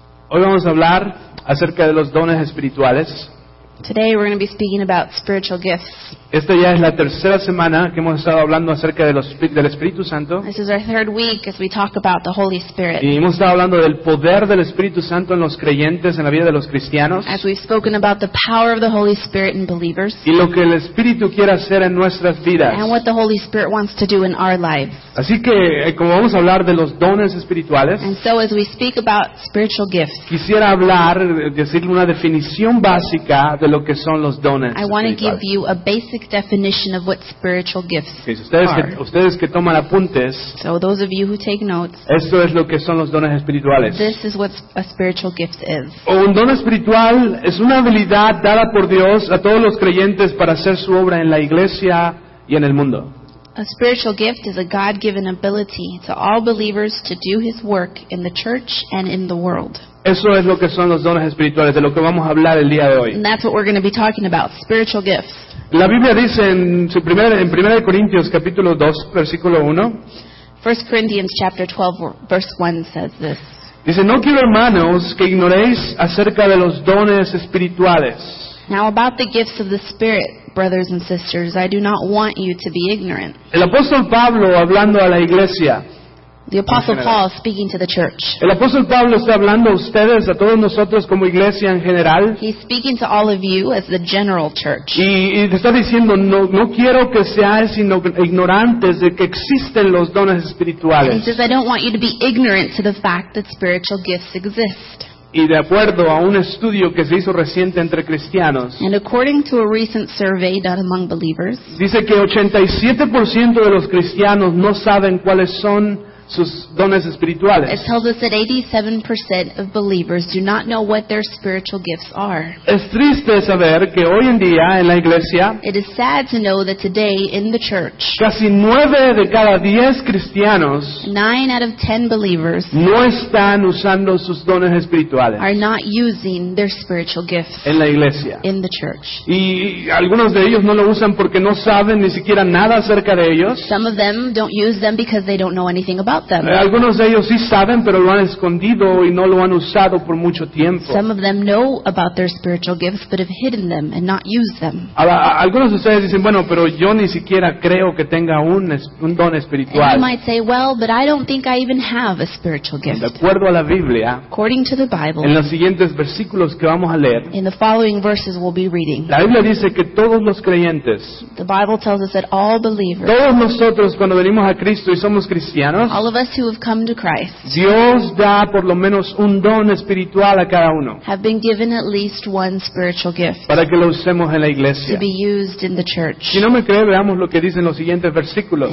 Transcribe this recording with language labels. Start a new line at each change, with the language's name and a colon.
Spanish: Hoy vamos a hablar acerca de los dones espirituales.
English: Today we're going to be speaking about spiritual gifts.
Spanish: Esta ya es la tercera semana que hemos estado hablando acerca de del Espíritu Santo.
English: This is our third week as we talk about the Holy Spirit.
Spanish: Y hemos estado hablando del poder del Espíritu Santo en los creyentes, en la vida de los cristianos.
English: As we've spoken about the power of the Holy Spirit in believers.
Spanish: Y lo que el Espíritu quiere hacer en nuestras vidas.
English: And what the Holy Spirit wants to do in our lives.
Spanish: Así que como vamos a hablar de los dones espirituales.
English: And so as we speak about spiritual gifts.
Spanish: Quisiera hablar, decirle una definición básica de lo que son los dones espirituales.
English: I want to give you a basic definition of what spiritual gifts
Spanish: are. Ustedes que toman apuntes,
English: so those of you who take notes,
Spanish: esto es lo que son los dones espirituales.
English: This is what a spiritual gift is.
Spanish: Un don espiritual es una habilidad dada por Dios a todos los creyentes para hacer su obra en la iglesia y en el mundo.
English: A spiritual gift is a God-given ability to all believers to do His work in the church and in the world.
Spanish: Eso es lo que son los dones espirituales, de lo que vamos a hablar el día de hoy.
English: And that's what we're going to be talking about, spiritual gifts.
Spanish: La Biblia dice en 1 Corintios capítulo 2, versículo 1.
English: 1 Corinthians chapter 12, verse 1 says this.
Spanish: Dice, no quiero, hermanos, que ignoréis acerca de los dones espirituales.
English: Now about the gifts of the Spirit, brothers and sisters, I do not want you to be ignorant.
Spanish: El apóstol Pablo hablando a la iglesia.
English: The Apostle Paul speaking to the church.
Spanish: El apóstol Pablo está hablando a ustedes, a todos nosotros como iglesia en general.
English: He's speaking to all of you as the general church.
Spanish: Y está diciendo, no quiero que seáis ignorantes de que existen los dones espirituales.
English: And he says, I don't want you to be ignorant to the fact that spiritual gifts exist.
Spanish: Y de acuerdo a un estudio que se hizo reciente entre cristianos,
English: and according to a recent survey done among believers,
Spanish: dice que 87% de los cristianos no saben cuáles son sus dones espirituales.
English: It tells us that 87% of believers do not know what their spiritual gifts are.
Spanish: Es triste saber que hoy en día en la iglesia,
English: it is sad to know that today in the church,
Spanish: casi 9 de cada 10 cristianos,
English: 9 out of 10 believers,
Spanish: no están usando sus dones espirituales,
English: are not using their spiritual gifts
Spanish: en la iglesia,
English: in the church.
Spanish: Y algunos de ellos no lo usan porque no saben ni siquiera nada acerca de ellos.
English: Some of them don't use them because they don't know anything about them.
Spanish: Algunos de ellos sí saben, pero lo han escondido y no lo han usado por mucho tiempo.
English: Some of them know about their spiritual gifts but have hidden them and not used them.
Spanish: Algunos de ustedes dicen, bueno, pero yo ni siquiera creo que tenga un don espiritual.
English: And you might say, well, but I don't think I even have a spiritual gift.
Spanish: De acuerdo a la Biblia,
English: according to the Bible,
Spanish: en los siguientes versículos que vamos a leer,
English: in the following verses we'll be reading,
Spanish: la Biblia dice que todos los creyentes,
English: the Bible tells us that all believers,
Spanish: todos nosotros cuando venimos a Cristo y somos cristianos,
English: all of us who have come to Christ,
Spanish: Dios da por lo menos un don espiritual a cada uno,
English: have been given at least one spiritual gift,
Spanish: para que lo usemos en la iglesia,
English: to be used in the church.
Spanish: Si no me cree, veamos lo que dicen los siguientes versículos.